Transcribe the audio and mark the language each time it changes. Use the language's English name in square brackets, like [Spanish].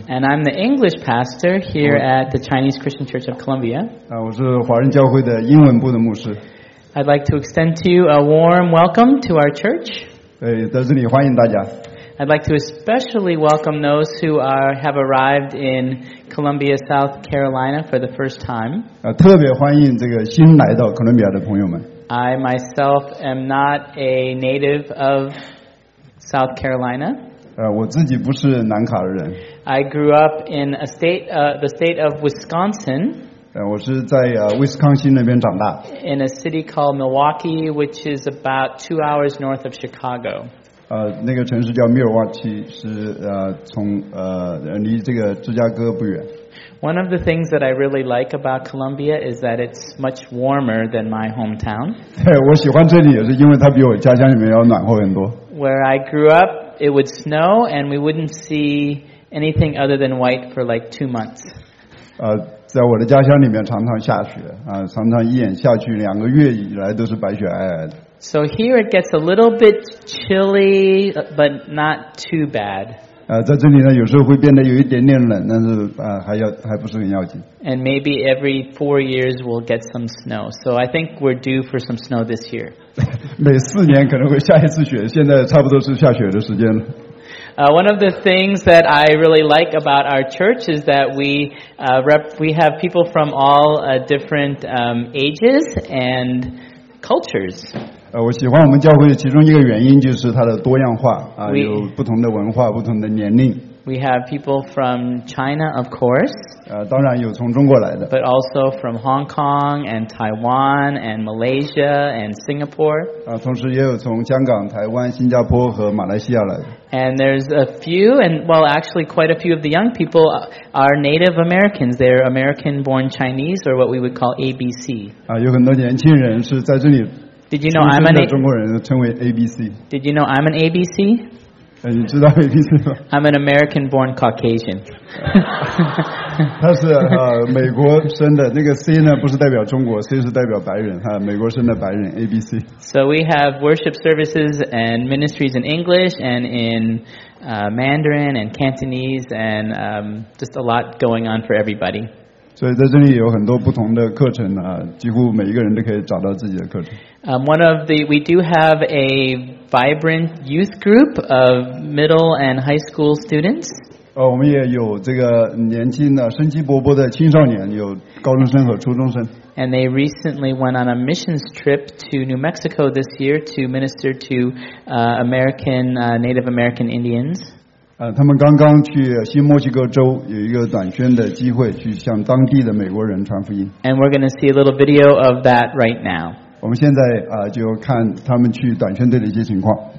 [English] And I'm the English pastor here at the Chinese Christian Church of Columbia. [Chinese] 我是华人教会的英文部的牧师。 [English] I'd like to extend to you a warm welcome to our church. [Chinese] 在这里欢迎大家。 [English] I'd like to especially welcome those who have arrived in Columbia, South Carolina for the first time. [Chinese] 特别欢迎这个新来到哥伦比亚的朋友们。 [English] I myself am not a native of South Carolina. [Chinese] 我自己不是南卡人。 [English] I grew up in the state of Wisconsin. [Chinese] 我是在威斯康星那边长大。 [English] In a city called Milwaukee, which is about 2 hours north of Chicago. [Chinese] 那个城市叫密尔沃基，是从离这个芝加哥不远。 [English] One of the things that I really like about Colombia is that it's much warmer than my hometown. [Chinese] 我喜欢这里也是因为它比我家乡里面要暖和很多。 [English] Where I grew up, it would snow and we wouldn't see anything other than white for like 2 months. [Chinese] 在我的家乡里面常常下雪，常常一眼下去两个月以来都是白雪皑皑的。 [English] So here it gets a little bit chilly, but not too bad. [Chinese] 在这里呢，有时候会变得有一点点冷，但是还不是很要紧。 [English] And maybe every 4 years we'll get some snow. So I think we're due for some snow this year. [Chinese] 每四年可能会下一次雪，现在差不多是下雪的时间了。 [English] One of the things that I really like about our church is that we have people from all different ages and cultures. [Chinese] 我喜欢我们教会其中一个原因就是它的多样化，有不同的文化，不同的年龄。 [English] We have people from China, of course. [Chinese] 当然有从中国来的。 [English] But also from Hong Kong and Taiwan and Malaysia and Singapore. [Chinese] 同时也有从香港、台湾、新加坡和马来西亚来的。 [English] And there's a few, and well, actually quite a few of the young people are Native Americans. They're American-born Chinese, or what we would call ABC. [Chinese] 有很多年轻人是在这里。 [English] Did you know I'm an [Chinese] ABC? 中国人称为 ABC. [English] Did you know I'm an ABC? [Chinese] 你知道 ABC 吗？ [English] I'm an American-born Caucasian. [Chinese] 他是美国生的，那个 C 呢不是代表中国 ，C 是代表白人，美国生的白人 ABC. [English] So we have worship services and ministries in English and in Mandarin and Cantonese and just a lot going on for everybody. [Chinese] 所以在这里有很多不同的课程啊，几乎每一个人都可以找到自己的课程。 [English] We do have a vibrant youth group of middle and high school students. [Chinese] 我们也有这个年轻的生机勃勃的青少年，有高中生和初中生。 [English] And they recently went on a missions trip to New Mexico this year to minister to Native American Indians. [Chinese] 他们刚刚去新墨西哥州有一个短宣的机会，去向当地的美国人传福音。 [English] And we're going to see a little video of that right now. [Chinese] 我们现在就看他们去短宣队的一些情况。